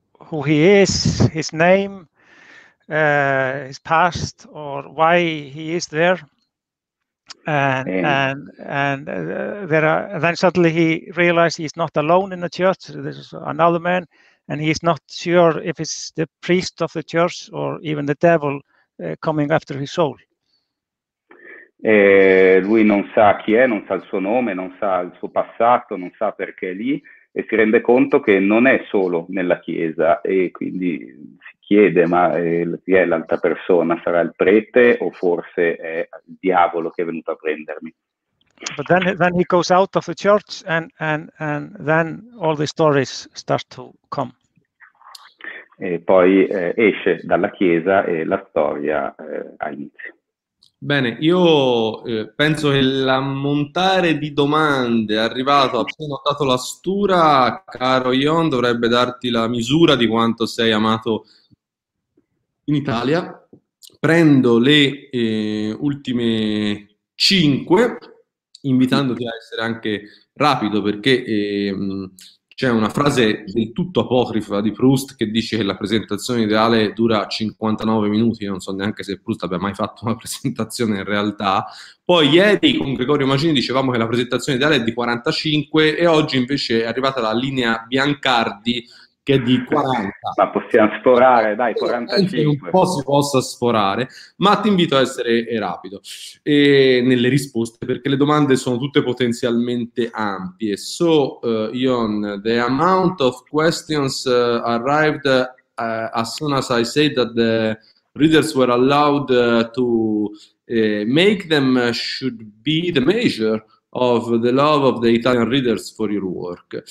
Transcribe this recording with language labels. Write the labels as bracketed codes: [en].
[en] who he is, his name, his past, or why he is there. Then suddenly he realized he's not alone in the church. There's another man, and he's not sure if it's the priest of the church or even the devil coming after his soul. [it] E lui non sa chi è, non sa il suo nome, non sa il suo passato, non sa perché è lì, e si rende conto che non è solo nella chiesa, e quindi si chiede: ma chi è l'altra persona? Sarà il prete o forse è il diavolo che è venuto a prendermi? [en] But then he goes out of the church and then all the stories start to come. [it] E poi esce dalla chiesa e la storia ha inizio. Bene, io penso che l'ammontare di domande arrivato appena ho dato la stura, caro Ion, dovrebbe darti la misura di quanto sei amato in Italia. Prendo le ultime 5, invitandoti a essere anche rapido, perché c'è una frase del tutto apocrifa di Proust che dice che la presentazione ideale dura 59 minuti, non so neanche se Proust abbia mai fatto una presentazione in realtà. Poi ieri con Gregorio Magini dicevamo che la presentazione ideale è di 45 e oggi invece è arrivata la linea Biancardi che è di 40. Ma possiamo sforare, dai, 45. Un po' si possa sforare, ma ti invito a essere rapido e nelle risposte, perché le domande sono tutte potenzialmente ampie. [en] So, Ion, the amount of questions arrived as soon as I said that the readers were allowed to make them should be the measure of the love of the Italian readers for your work.